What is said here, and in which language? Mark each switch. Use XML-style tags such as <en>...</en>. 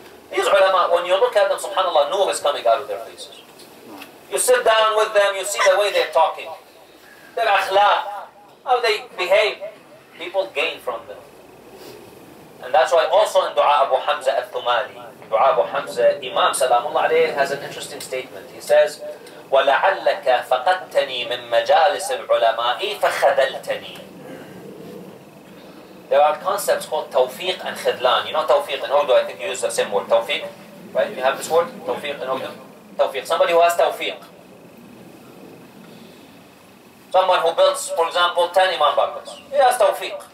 <en>These ulama, when you look at them, subhanAllah, nur is coming out of their faces. You sit down with them, you see the way they're talking. Their akhlaq, how they behave. People gain from them. And that's why also in Dua Abu Hamza al-Thumali, Dua Abu Hamza, Imam Salamullah alayhi has an interesting statement.</en> <ar>He says, وَلَعَلَّكَ فَقَدْتَنِي مِن مَجَالِسِ الْعُلَمَاءِ فَخَذَلْتَنِي.</ar> <en>There are concepts called tawfiq and khidlan. You know tawfiq in Urdu, I think you use the same word, tawfiq. Right, you have this word, tawfiq in Urdu. Tawfiq, somebody who has tawfiq. Someone who builds, for example, 10 imam barakas. He has tawfiq.</en>